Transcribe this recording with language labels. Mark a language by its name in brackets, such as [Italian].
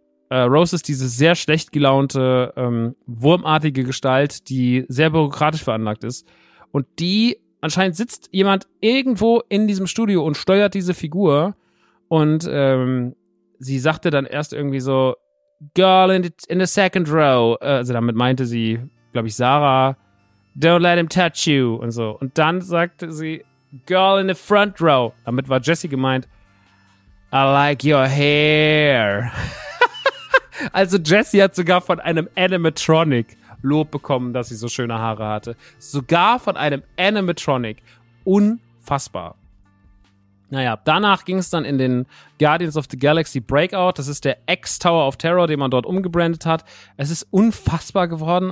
[German] Rose ist diese sehr schlecht gelaunte, wurmartige Gestalt, die sehr bürokratisch veranlagt ist, und die anscheinend sitzt jemand irgendwo in diesem Studio und steuert diese Figur. Und sie sagte dann erst irgendwie so, [English] Girl in the second row. [German] Also damit meinte sie, glaube ich, Sarah, [English] don't let him touch you [German] und so. Und dann sagte sie, [English] Girl in the front row. [German] Damit war Jessie gemeint, [English] I like your hair. [German] Also Jessie hat sogar von einem Animatronic Lob bekommen, dass sie so schöne Haare hatte. Sogar von einem Animatronic. Unfassbar. Naja, danach ging es dann in den Guardians of the Galaxy Breakout. Das ist der X-Tower of Terror, den man dort umgebrandet hat. Es ist unfassbar geworden.